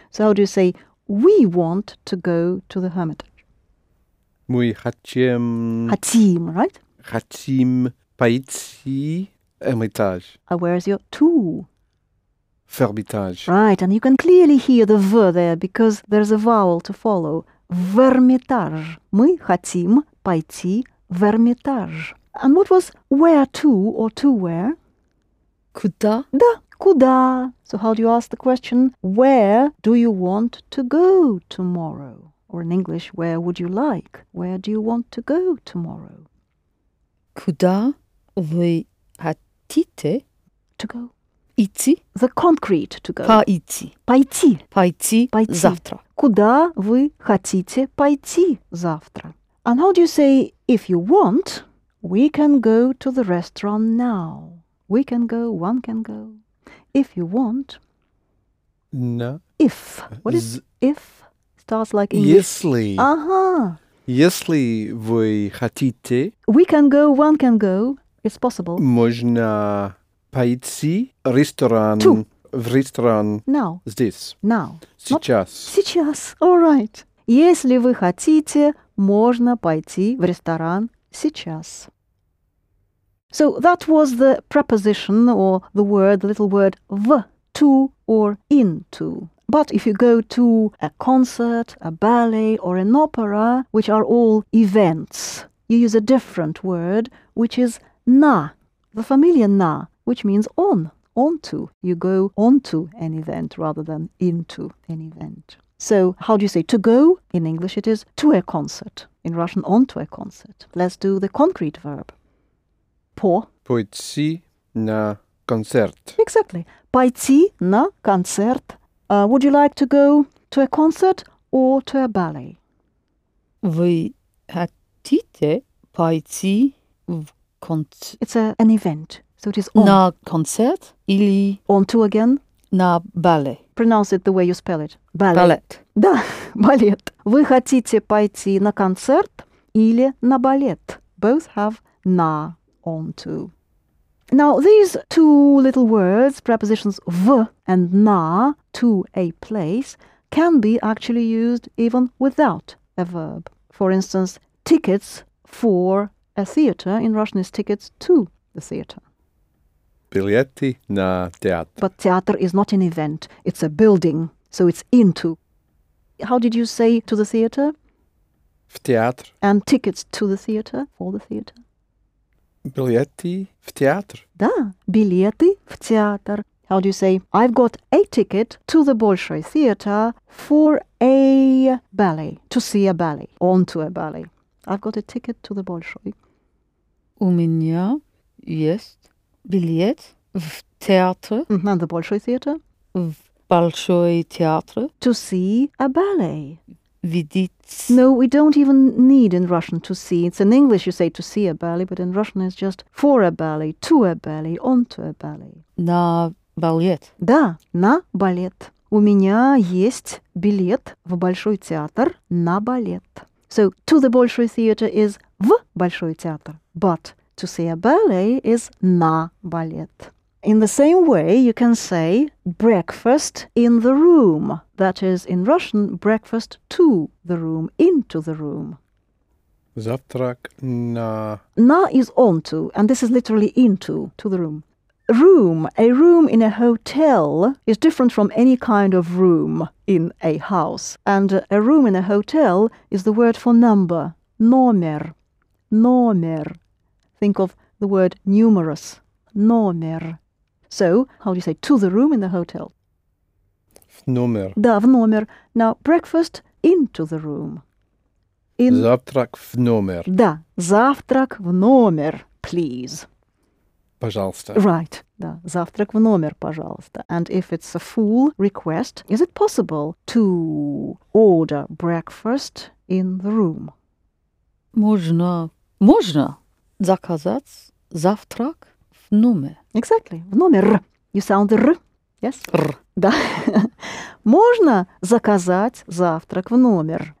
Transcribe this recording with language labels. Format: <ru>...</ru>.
<en>So how do you say, we want to go to the Hermitage?</en> <ru>Мы хотим... Хотим, right? Хотим пойти Эрмитаж.</ru> <en>Where's your to?</en> <ru>Фермитаж.</ru> <en>Right, and you can clearly hear the V there because there's a vowel to follow.</en> <ru>Вермитаж. Мы хотим пойти Вермитаж.</ru> <en>And what was where to where?</en> <ru>Куда? Да, куда.</ru> <en>So how do you ask the question, where do you want to go tomorrow? Or in English, where would you like? Where do you want to go tomorrow?</en> <ru>Куда вы хотите?</ru> <en>To go.</en> <ru>Идти.</ru> <en>The concrete to go.</en> <ru>Пойти. Пойти. Пойти. Пойти. Завтра. Куда вы хотите пойти завтра?</ru> <en>And how do you say, if you want, we can go to the restaurant now. We can go, one can go. If you want. No. If. What is if? Starts like if.</en> <ru>Если. Uh-huh. Если вы хотите.</ru> <en>We can go, one can go. It's possible.</en> <ru>Можно пойти в ресторан.</ru> <en>To.</en> <ru>В ресторан.</ru> <en>Now.</en> <ru>Здесь.</ru> <en>Now.</en> <ru>Сейчас.</ru> <en>Not сейчас. All right.</en> <ru>Если вы хотите, можно пойти в ресторан сейчас.</ru> <en>So that was the preposition or the word, the little word в, to or into. But if you go to a concert, a ballet or an opera, which are all events, you use a different word, which is на, the familiar на, which means on, onto. You go onto an event rather than into an event. So, how do you say to go? In English it is to a concert. In Russian, onto a concert. Let's do the concrete verb. По.</en> <ru>Пойти на концерт. Exactly. Пойти на концерт.</ru> <en>Would you like to go to a concert or to a ballet?</en> <ru>Вы хотите пойти в концерт?</ru> <en>It's an event. So it is on.</en> <ru>На концерт или...</ru> <en>Onto again.</en> <ru>На ballet.</ru> <en>Pronounce it the way you spell it. Ballet. Ballet.</en> <ru>Да, балет. Вы хотите пойти на концерт или на балет?</ru> <en>Both have на on to. Now, these two little words, prepositions в and на, to a place, can be actually used even without a verb. For instance, tickets for a theater. In Russian, is tickets to the theater.</en> <ru>Билеты на театр.</ru> <en>But театр is not an event. It's a building. So it's into. How did you say to the theater?</en> <ru>В театр.</ru> <en>And tickets to the theater, for the theater.</en> <ru>Билеты в театр. Да, билеты в театр.</ru> <en>How do you say, I've got a ticket to the Bolshoi Theatre for a ballet, to see a ballet, onto a ballet. I've got a ticket to the Bolshoi.</en> <ru>У меня есть билет в театр.</ru> <en>Mm-hmm, the Bolshoi Theatre.</en> <ru>В Большой театр.</ru> <en>To see a ballet.</en> <ru>Видеть.</ru> <en>No, we don't even need in Russian to see. It's in English you say to see a ballet, but in Russian it's just for a ballet, to a ballet, onto a ballet.</en> <ru>На балет. Да, на балет. У меня есть билет в Большой театр на балет.</ru> <en>So, to the Bolshoi Theatre is</en> <ru>в Большой театр,</ru> <en>but to see a ballet is</en> <ru>на балет.</ru> <en>In the same way, you can say breakfast in the room. That is, in Russian, breakfast to the room, into the room.</en> <ru>Завтрак на...</ru> <en>На is onto, and this is literally into, to the room. Room, a room in a hotel is different from any kind of room in a house. And a room in a hotel is the word for number, номер, номер. Think of the word numerous, номер. So, how do you say, to the room in the hotel?</en> <ru>В номер. Да, в номер.</ru> <en>Now, breakfast into the room.</en> <ru>In... Завтрак в номер. Да, завтрак в номер, please. Пожалуйста. Right, да, завтрак в номер, пожалуйста.</ru> <en>And if it's a full request, is it possible to order breakfast in the room?</en> <ru>Можно, можно заказать завтрак. Номер.</ru> <en>Exactly.</en> <ru>В номер.</ru> <en>You sound the r. Yes? R.</en> <ru>Да. Можно заказать завтрак в номер.</ru>